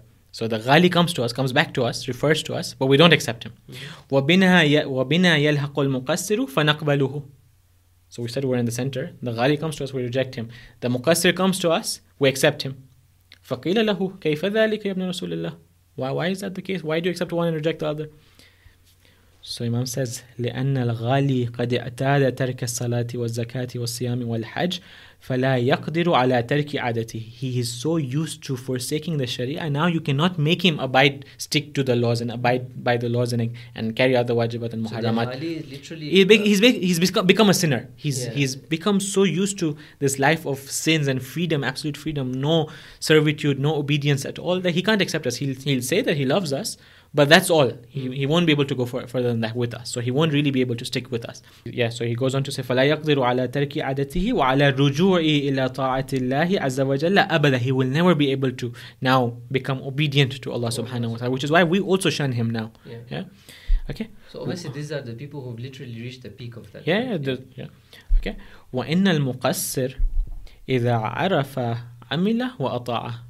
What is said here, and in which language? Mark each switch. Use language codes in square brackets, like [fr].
[en] So the ghali comes to us, refers to us, but we don't accept him. [ar] وَبِنَا يَلْحَقُ الْمُقَسِّرُ فَنَقْبَلُهُ. [en] So we said we're in the center. The ghali comes to us, we reject him. The muqassir comes to us, we accept him. [ar] فَقِيلَ لَهُ كَيْفَ ذَلِكَ يَبْنَ رَسُولِ اللَّهِ. [en] Why is that the case? Why do you accept one and reject the other? So Imam says, [ar] لِأَنَّ الْغَالِ قَدْ اَعْتَادَ تَرْكَ الصَّلَاةِ وَالزَّكَاةِ وَالصِّيَامِ وَالْحَجِ فَلَا يَقْدِرُ عَلَى تَرْكِ عَدَتِهِ. [en] He is so used to forsaking the Sharia, now you cannot make him stick to the laws and abide by the laws and carry out the wajibat and muharramat. So the ghali literally... He's become a sinner. He's become so used to this life of sins and freedom, absolute freedom, no servitude, no obedience at all, that he can't accept us. He'll say that he loves us, but that's all. He won't be able to go further than that with us. So he won't really be able to stick with us. Yeah, so he goes on to say, [ar] فَلَا يَقْدِرُ عَلَى تَرْكِ عَدَتِهِ وَعَلَى رُجُوعِ إِلَى طَاعَةِ اللَّهِ عَزَّ وَجَلَّ أَبَدًا. [en] He will never be able to now become obedient to Allah subhanahu wa ta'ala, which is why we also shun him now. Yeah. Yeah? Okay. So obviously these are the people who have literally reached the peak of that. Yeah. Okay. [ar] وَإِنَّ الْمُقَسِّرُ إِذَا عَرَفَ عَمِلَ وَأَطَاعَ.